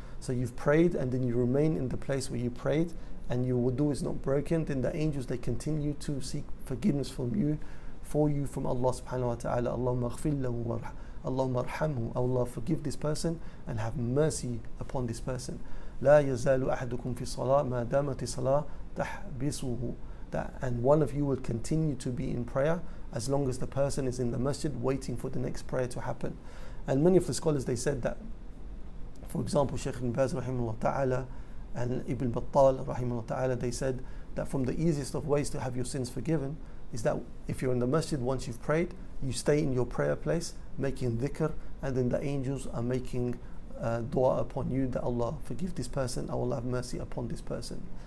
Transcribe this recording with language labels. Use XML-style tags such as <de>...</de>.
<en>So you've prayed and then you remain in the place where you prayed and your wudu is not broken, then the angels, they continue to seek forgiveness from Allah subhanahu wa ta'ala.</en> <ar>Allahumma ghafir lahu wa Allahumma arhamhu.</ar> <en>Allah, forgive this person and have mercy upon this person.</en> <ar>لا يزال أحدكم في صلاة ما دامت صلاة تحبسه.</ar> <en>And one of you will continue to be in prayer as long as the person is in the masjid waiting for the next prayer to happen. And many of the scholars, they said that, for example, Shaykh Ibn Baz rahimahullah ta'ala and Ibn Battal rahimahullah ta'ala, they said that from the easiest of ways to have your sins forgiven is that if you're in the masjid, once you've prayed, you stay in your prayer place making dhikr, and then the angels are making dua upon you that Allah forgive this person, Allah have mercy upon this person.</en>